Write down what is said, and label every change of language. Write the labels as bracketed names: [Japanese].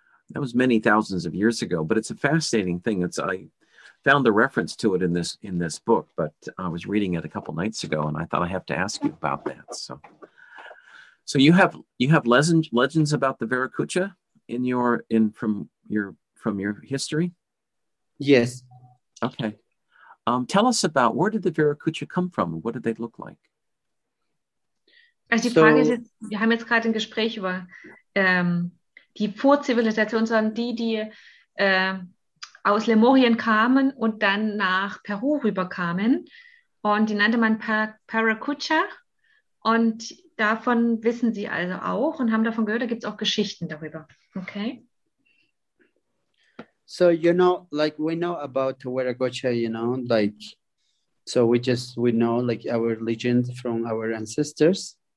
[English] That was many thousands of years ago, but it's a fascinating thing. I found the reference to it in this book, but I was reading it a couple nights ago, and I thought I have to ask you about that. So you have legends about the Viracocha from your history? Yes. Okay. Tell us about where did the Viracocha come from? What did they look like? [German] Also die Frage ist, wir haben jetzt gerade ein Gespräch über die Vorzivilisation, sondern die aus Lemurien kamen und dann nach Peru rüberkamen. Und die nannte man Paracucha. Und davon wissen sie also auch und haben davon gehört, da gibt es auch Geschichten darüber. [English] Okay. So, you know, like we know about Viracocha, you know, like, so we know like our legends from our ancestors.